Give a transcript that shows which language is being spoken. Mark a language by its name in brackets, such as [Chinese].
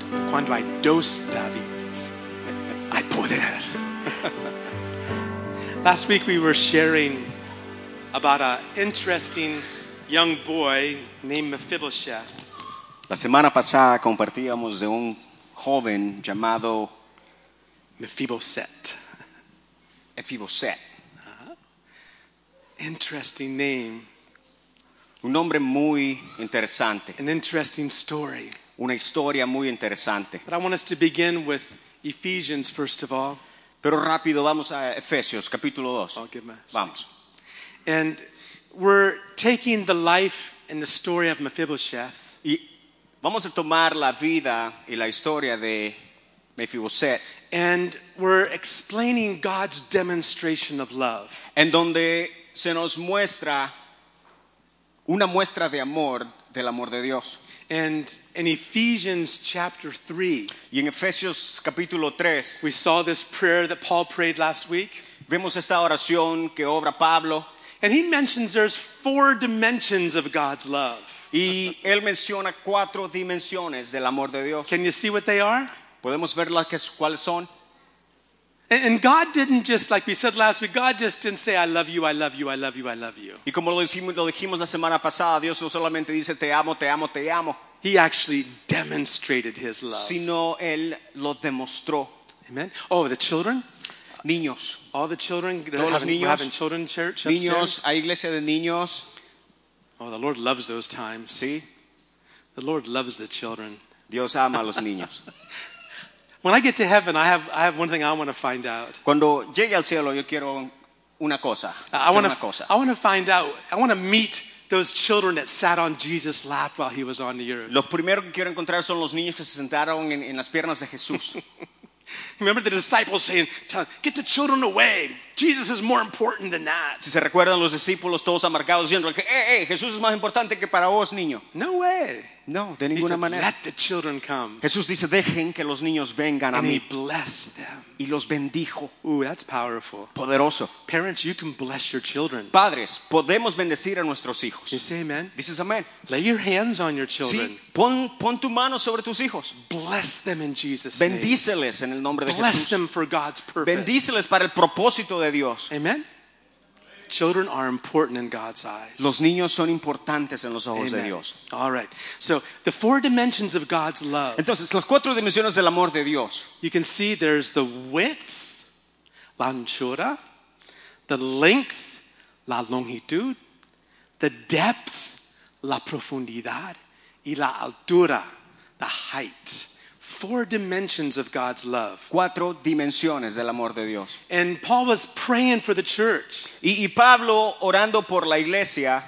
[Spanish] Cuando hay dos David, hay poder. [English] Last week we were sharing about an interesting young boy named Mephibosheth. [Spanish] La semana pasada compartíamos de un joven llamado Mephibosheth. Mephibosheth. [English] Interesting name. [Spanish] Un nombre muy interesante. [English] An interesting story. [Spanish] Una historia muy interesante. [English] But I want us to begin with Ephesians first of all. [Spanish] Pero rápido vamos a Efesios capítulo 2. [English] I'll give my [Spanish] vamos. [English] And we're taking the life and the story of Mephibosheth. [Spanish] Y vamos a tomar la vida y la historia de Mephibosheth. [English] And we're explaining God's demonstration of love. [Spanish] En donde se nos muestra una muestra de amor del amor de Dios. [English] And in Ephesians chapter 3, [Spanish] y en Efesios capítulo 3, [English] we saw this prayer that Paul prayed last week. [Spanish] Vemos esta oración que obra Pablo. [English] And he mentions there's four dimensions of God's love. [Spanish] Y él menciona cuatro dimensiones del amor de Dios. [English] Can you see what they are? [Spanish] ¿Podemos ver cuáles son? [English] And God didn't just, like we said last week, God just didn't say, I love you, I love you, I love you, I love you. [Spanish] Y como lo dijimos la semana pasada, Dios no solamente dice, te amo, te amo, te amo. [English] He actually demonstrated His love. [Spanish] Sino Él lo demostró. [English] Amen. Oh, the children? [Spanish] Niños. [English] All the children? [Spanish] Todos los niños. [English] We're having children church upstairs? [Spanish] Niños, hay iglesia de niños. [English] Oh, the Lord loves those times. [Spanish] Sí. [English] The Lord loves the children. [Spanish] Dios ama a los niños. [English] When I get to heaven, I have one thing I want to find out. [Spanish] Cuando llegue al cielo, yo quiero una cosa. [English] I want to meet those children that sat on Jesus' lap while He was on the earth. [Spanish] Los primeros que quiero encontrar son los niños que se sentaron en las piernas de Jesús. [English] Remember the disciples saying, "Get the children away. Jesus is more important than that." [Spanish] Si se recuerdan los discípulos todos amargados diciendo, "Hey, Jesús es más importante que para vos, niño." [English] No way. [Spanish] No, de ninguna manera. [English] Let the children come. [Spanish] Jesús dice, dejen que los niños vengan a mí. [English] And He blessed them. [Spanish] Y los bendijo. [English] Ooh, that's powerful. [Spanish] Poderoso. [English] Parents, you can bless your children. [Spanish] Padres, podemos bendecir a nuestros hijos. [English] You say amen. [Spanish] Dices amén. [English] Lay your hands on your children. [Spanish] Sí, pon tu mano sobre tus hijos. [English] Bless them in Jesus' name. [Spanish] Bendíceles en el nombre de [English] bless Bless them for God's purpose. [Spanish] Bendíceles para el propósito de Dios. [English] Amen. Children are important in God's eyes. [Spanish] Los niños son importantes en los ojos Amen. De Dios. [English] All right. So the four dimensions of God's love. [Spanish] Entonces, las cuatro dimensiones del amor de Dios. [English] You can see there's the width, [Spanish] la anchura, [English] the length, [Spanish] la longitud, [English] the depth, [Spanish] la profundidad, y la altura, [English] the height. Four dimensions of God's love. [Spanish] Cuatro dimensiones del amor de Dios. [English] And Paul was praying for the church. [Spanish] Y Pablo orando por la iglesia.